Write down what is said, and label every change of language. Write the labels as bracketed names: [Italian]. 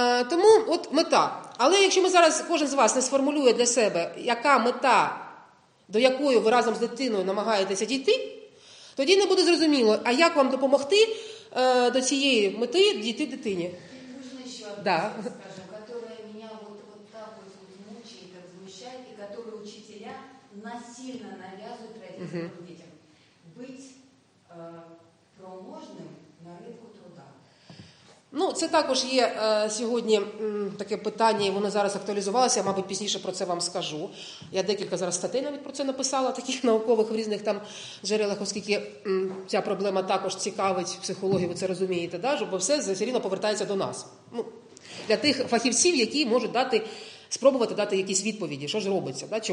[Ukrainian] Тому от мета. Але якщо ми зараз, кожен з вас не сформулює для себе, яка мета, до якої ви разом з дитиною намагаєтеся дійти, тоді не буде зрозуміло, а як вам допомогти до цієї мети дійти дитині. [Russian] Да. Скажем, которая меня вот так вот мучает, возмущает, и которая очень учителя насильно навязывают родителям детям. Быть проможним на ринку труда. [Ukrainian] Ну, це також є сьогодні таке питання, і воно зараз актуалізувалося, я, мабуть, пізніше про це вам скажу. Я декілька зараз статей навіть про це написала, таких наукових в різних там джерелах, оскільки ця проблема також цікавить психологів, ви це розумієте, да? Бо все рівно повертається до нас. Ну, для тих фахівців, які можуть дати, спробувати дати якісь відповіді, що ж робиться, да?